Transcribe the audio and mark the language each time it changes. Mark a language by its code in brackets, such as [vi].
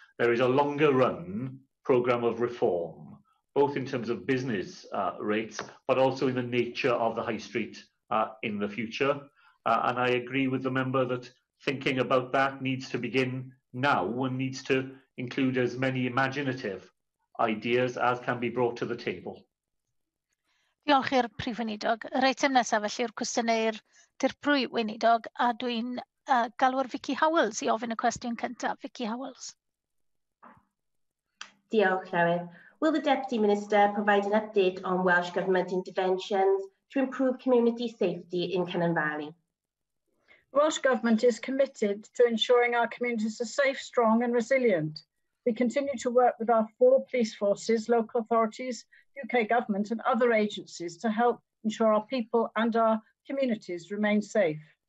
[en] There is a longer run programme of reform, both in terms of business rates, but also in the nature of the high street in the future. And I agree with the member that thinking about that needs to begin now and needs to include as many imaginative ideas as can be brought to the table. [cy] Diolch i'r Prif Weinidog. Yr eitem nesaf felly yw'r cwestiynau'r Dirprwy Weinidog, a dwi'n galw'r Vicky Howells i ofyn y cwestiwn cyntaf. Vicky Howells. Diolch, Llywydd. [en] Will the Deputy Minister provide an update on Welsh Government interventions to improve community safety in Cannon Valley? The Welsh Government is committed to ensuring our communities are safe, strong and resilient. We continue to work with our four police forces, local authorities, UK government and other agencies to help ensure our people and our communities remain safe.